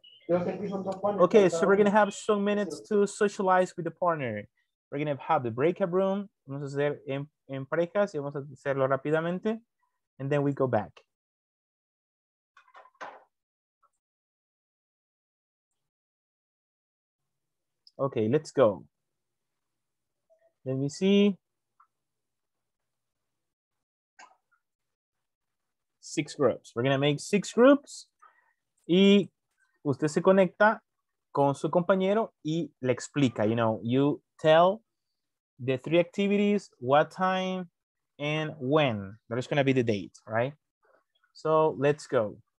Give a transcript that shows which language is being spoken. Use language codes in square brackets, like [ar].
[en] Okay, so we're going to have some minutes to socialize with the partner. We're going to have the breakout room. [es] Vamos a hacer en parejas y vamos a hacerlo rápidamente. [en] And then we go back. Okay, let's go. Let me see. 6 groups. We're going to make 6 groups. [es] Y usted se conecta con su compañero y le explica. [en] You know, you tell the 3 activities, what time and when. That is going to be the date, right? So let's go.